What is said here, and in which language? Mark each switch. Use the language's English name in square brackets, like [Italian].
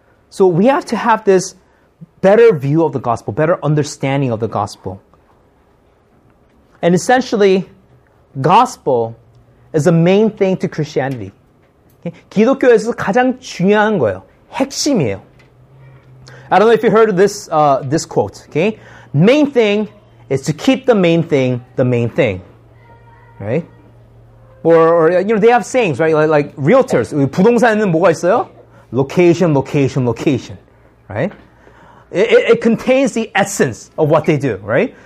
[English] So we have to have this better view of the gospel, better understanding of the gospel. And essentially, gospel is the main thing to Christianity. Okay? [Korean] 기독교에서 가장 중요한 거예요. 핵심이에요. [English] I don't know if you heard of this quote, okay? Main thing is to keep the main thing, right? Or you know, they have sayings, right? Like realtors, [Korean] 부동산에는 뭐가 있어요? [English] Location, location, location, right? It contains the essence of what they do, right?